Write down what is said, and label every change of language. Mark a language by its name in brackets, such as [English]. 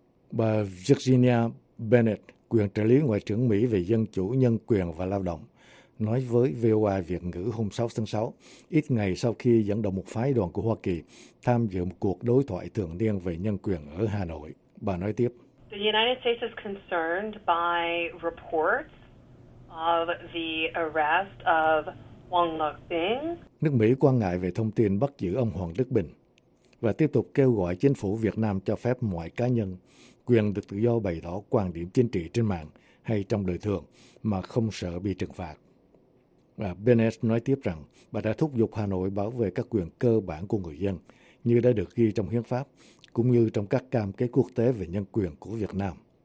[Vietnamese] Bà Virginia Bennett, quyền trợ lý Ngoại trưởng Mỹ về Dân chủ, Nhân quyền và Lao động, nói với VOA Việt ngữ hôm 6 tháng 6, ít ngày sau khi dẫn đầu một phái đoàn của Hoa Kỳ tham dự một cuộc đối thoại thường niên về nhân quyền ở Hà Nội. Bà nói tiếp. [English] The United States is concerned by reports of the arrest of Hoàng Lực Bình. [Vietnamese] Nước Mỹ quan ngại về thông tin bắt giữ ông Hoàng Đức Bình và tiếp tục kêu gọi chính phủ Việt Nam cho phép mọi cá nhân quyền được tự do bày tỏ quan điểm chính trị trên mạng hay trong đời thường mà không sợ bị trừng phạt. Bà Bennett nói tiếp rằng bà đã thúc giục Hà Nội bảo vệ các quyền cơ bản của người dân như đã được ghi trong hiến pháp, cũng như trong các cam kết quốc tế về nhân quyền của Việt Nam.